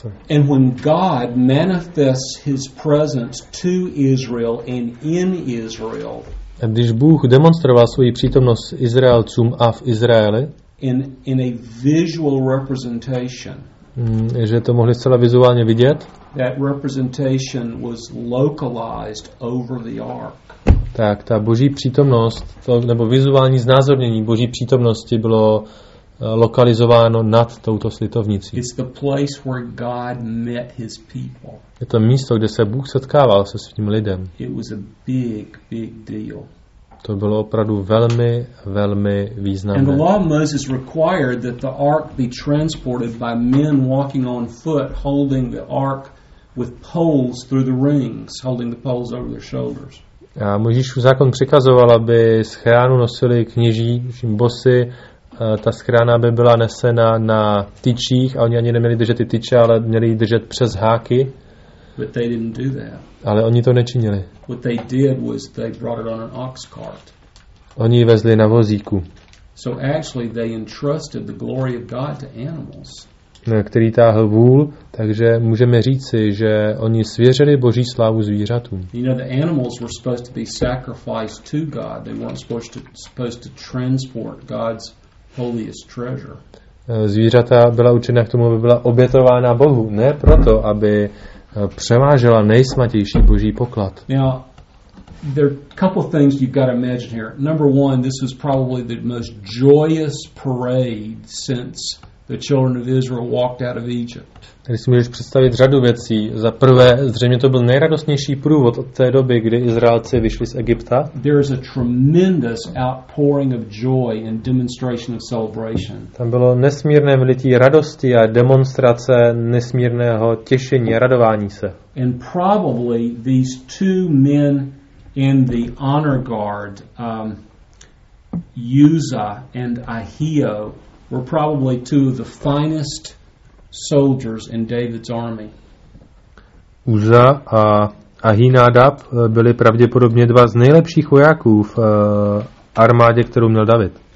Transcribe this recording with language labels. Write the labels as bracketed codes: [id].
[en] And when God manifests his presence to Israel and in Israel. [cs] A když Bůh demonstroval svoji přítomnost Izraelcům a v Izraeli. [en] In a visual representation. [cs] Že to mohli zcela vizuálně vidět. [en] That representation was localized over the ark. [cs] Tak ta Boží přítomnost, to, nebo vizuální znázornění Boží přítomnosti bylo lokalizováno nad touto slitovnicí. [en] It's the place where God met his people. [cs] Je to místo, kde se Bůh setkával se svým lidem. [en] It was a big deal. [cs] To bylo opravdu velmi, velmi významné. [en] And the law of Moses required that the ark be transported by men walking on foot holding the ark with poles through the rings, holding the poles over their shoulders. [cs] A Mojžíšův zákon přikazoval, aby schránu nosili kněží, všim bosy. Ta schrána by byla nesena na tyčích a oni ani neměli držet ty tyče, ale měli ji držet přes háky. [en] But they didn't do that. [cs] Ale oni to nečinili. [en] What they did was they brought it on an ox cart. [cs] Oni ji vezli na vozíku. [en] So actually they entrusted the glory of God to animals. [cs] Který táhl vůl, takže můžeme říci, že oni svěřili Boží slávu zvířatům. [en] You know, the animals were supposed to be sacrificed to God. They weren't supposed to transport God's holiest treasure. [cs] zvířata byla určena k tomu, aby byla obětována Bohu, ne proto, aby převážela nejsmatější boží poklad. [en] Now, there are a couple of things you've got to imagine here. Number one, this was probably the most joyous parade since the children of Israel walked out of Egypt. [cs] Tady si můžeš představit řadu věcí. Za prvé, zřejmě to byl nejradostnější průvod od té doby, kdy Izraelci vyšli z Egypta. [en] There is a tremendous outpouring of joy and demonstration of celebration. [cs] Tam bylo nesmírné vylití radosti a demonstrace nesmírného těšení a radování se. [en] And probably these two men in the honor guard, Uzzah and Ahio, were probably two of the finest soldiers in David's army. [cs] Uzza a Ahinadab byli pravděpodobně dva z nejlepších vojáků v armádě, kterou měl David.